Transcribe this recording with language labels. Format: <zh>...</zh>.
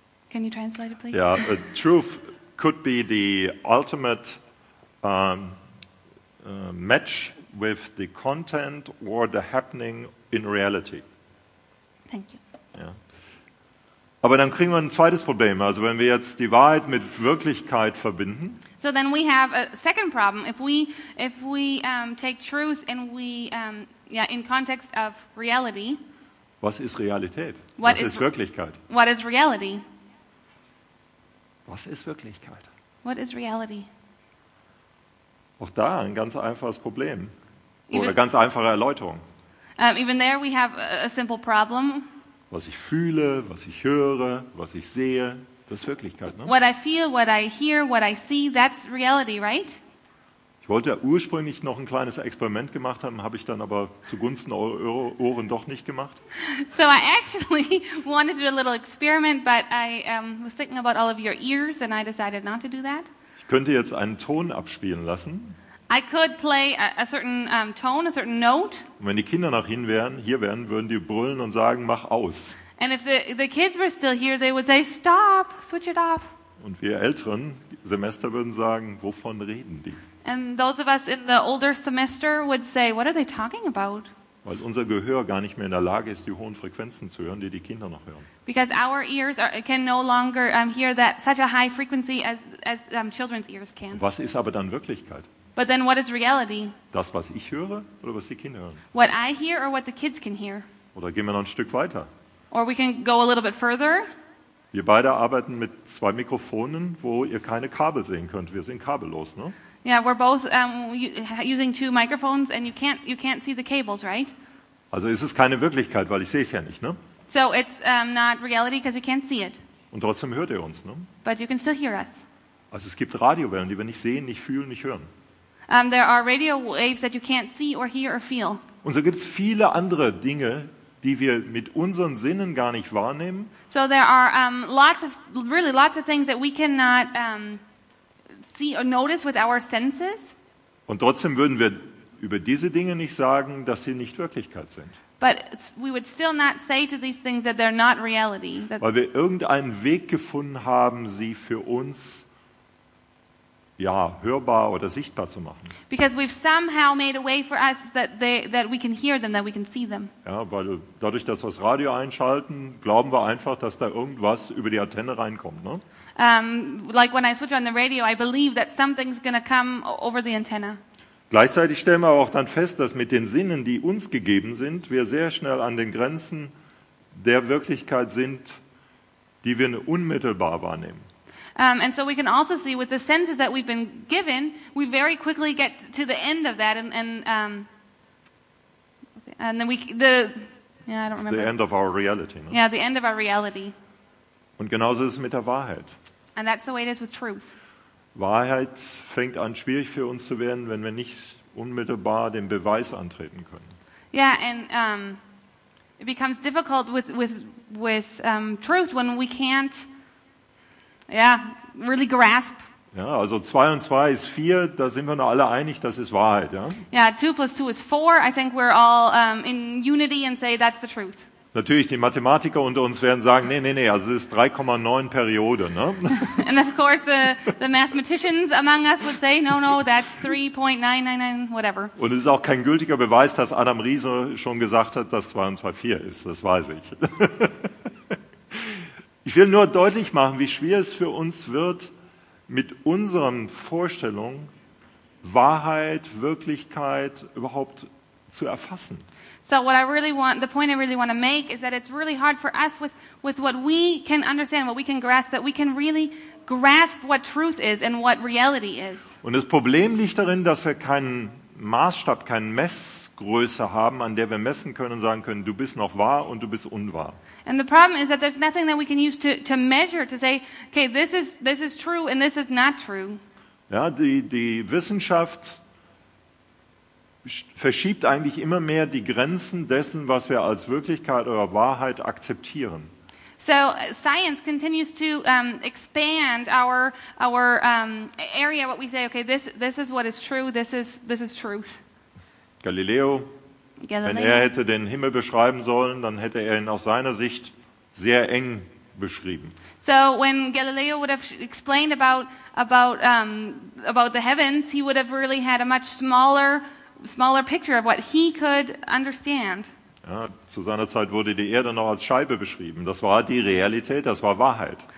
<en>Can you translate it, please? Yeah, the truth could be the ultimate match with the content or the happening in reality. Thank you. Yeah.</en> <de>Aber dann kriegen wir ein zweites Problem. Also wenn wir jetzt die Wahrheit mit Wirklichkeit verbinden.</de> <en>So then we have a second problem. If we take truth and we in context of reality.</en> <de>Was ist Realität? Was ist Wirklichkeit?</de> <en>What is reality?</en> <de>Was ist Wirklichkeit?</de> <en>What is reality?</en> <de>Auch da ein ganz einfaches Problem oder ganz einfache Erläuterung.</de> <en>Even there we have a simple problem.</en> <de>Was ich fühle, was ich höre, was ich sehe, das ist Wirklichkeit, ne?</de> <en>What I feel, what I hear, what I see, that's reality, right?</en> <de>Ich wollte ja ursprünglich noch ein kleines Experiment gemacht haben, habe ich dann aber zugunsten eurer Ohren doch nicht gemacht.</de> <en>So I actually wanted to do a little experiment, but I was thinking about all of your ears and I decided not to do that.</en> <de>Ich könnte jetzt einen Ton abspielen lassen.</de> <en>I could play a certain tone, a certain note.</en> <de>Und wenn die Kinder noch hier wären, würden die brüllen und sagen, mach aus.</de> <en>And if the kids were still here, they would say, stop, switch it off.</en> <de>Und wir älteren Semester würden sagen, wovon reden die?</de> <en>And those of us in the older semester would say, what are they talking about?</en> <de>Weil unser Gehör gar nicht mehr in der Lage ist, die hohen Frequenzen zu hören, die Kinder noch hören.</de> <en>Because our ears can no longer hear that such a high frequency as children's ears can.</en> <de>Was ist aber dann Wirklichkeit?</de> <en>But then what is reality?</en> <de>Das, was ich höre oder was die Kinder hören?</de> <en>What I hear or what the kids can hear?</en> <de>Oder gehen wir noch ein Stück weiter?</de> <en>Or we can go a little bit further.</en> <de>Wir beide arbeiten mit zwei Mikrofonen, wo ihr keine Kabel sehen könnt. Wir sind kabellos, ne?</de> <en>Yeah, we're both using two microphones and you can't see the cables, right?</en> <de>Also ist es keine Wirklichkeit, weil ich sehe es ja nicht, ne?</de> <en>So it's not reality because you can't see it.</en> <de>Und trotzdem hört ihr uns, ne?</de> <en>But you can still hear us.</en> <de>Also es gibt Radiowellen, die wir nicht sehen, nicht fühlen, nicht hören.</de> <en>There are radio waves that you can't see or hear or feel.</en> <de>Und so gibt es viele andere Dinge, die wir mit unseren Sinnen gar nicht wahrnehmen.</de> <en>So there are lots of things that we cannot see or notice with our senses.</en> <de>Und trotzdem würden wir über diese Dinge nicht sagen, dass sie nicht Wirklichkeit sind.</de> <en>But we would still not say to these things that they're not reality.</en> <de>Weil wir irgendeinen Weg gefunden haben, sie für uns hörbar oder sichtbar zu machen.</de> <en>Because we've somehow made a way for us that we can hear them, that we can see them.</en> <de>Ja, weil dadurch, dass wir das Radio einschalten, glauben wir einfach, dass da irgendwas über die Antenne reinkommt, ne?</de> <en>Like when I switch on the radio, I believe that something's gonna come over the antenna.</en> <de>Gleichzeitig stellen wir aber auch dann fest, dass mit den Sinnen, die uns gegeben sind, wir sehr schnell an den Grenzen der Wirklichkeit sind, die wir unmittelbar wahrnehmen.</de> <en>And so we can also see with the senses that we've been given, we very quickly get to the end of that, the end of our reality. No? Yeah, the end of our reality.</en> <de>Und genauso ist es mit der Wahrheit.</de> <en>And that's the way it is with truth.</en> <de>Wahrheit fängt an, schwierig für uns zu werden, wenn wir nicht unmittelbar den Beweis antreten können.</de> <en>Yeah, and it becomes difficult with truth when we can't. Yeah, really grasp.</en> <de>Ja, also 2 und 2 ist 4, da sind wir noch alle einig, das ist Wahrheit, ja?</de> <en>Yeah, 2 plus 2 is 4. I think we're all in unity and say that's the truth.</en> <de>Natürlich die Mathematiker unter uns werden sagen, nee, also es ist 3,9 Periode, ne?</de> <en>And of course the mathematicians among us would say, no, that's 3.999 whatever.</en> <de>Und es ist auch kein gültiger Beweis, dass Adam Riese schon gesagt hat, dass 2 und 2 4 ist, das weiß ich. Ich will nur deutlich machen, wie schwer es für uns wird, mit unseren Vorstellungen Wahrheit, Wirklichkeit überhaupt zu erfassen.</de> <en>So what I really want, the point I really want to make is that it's really hard for us with what we can understand, what we can grasp, that we can really grasp what truth is and what reality is.</en> <de>Und das Problem liegt darin, dass wir keinen Maßstab, keinen Messgröße haben, an der wir messen können und sagen können, du bist noch wahr und du bist unwahr.</de> <en>And the problem is that there's nothing that we can use to measure to say, okay, this is true and this is not true.</en> <de>Ja, die Wissenschaft verschiebt eigentlich immer mehr die Grenzen dessen, was wir als Wirklichkeit oder Wahrheit akzeptieren.</de> <en>So science continues to expand our area, what we say, okay, this is what is true, this is truth.</en> <de>Galileo, wenn er hätte den Himmel beschreiben sollen, dann hätte er ihn aus seiner Sicht sehr eng beschrieben.</de> <en>So when Galileo would have explained about the heavens, he would have really had a much smaller picture of what he could understand.</en> <de>Ja, zu seiner Zeit wurde die Erde noch als Scheibe beschrieben. Das war die Realität, das war Wahrheit.</de>